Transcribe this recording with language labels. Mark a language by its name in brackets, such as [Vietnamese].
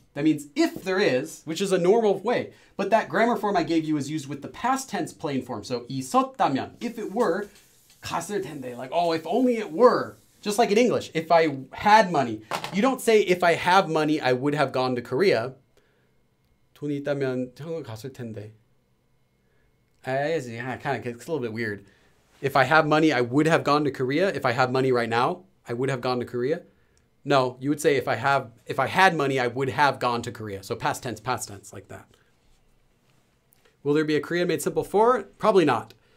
[English] That means if there is, which is a normal way. But that grammar form I gave you is used with the past tense plain form. So [Korean] 있었다면, [English] if it were, [Korean] 갔을 텐데. [English] Like, oh, if only it were. Just like in English, if I had money. You don't say, if I have money, I would have gone to Korea. [Korean] 돈이 있다면 한국 갔을 텐데. [English] It's a little bit weird. If I have money, I would have gone to Korea. If I have money right now, I would have gone to Korea. No, you would say, if I had money, I would have gone to Korea. So past tense, like that. Will there be a Korean Made Simple 4? Probably not.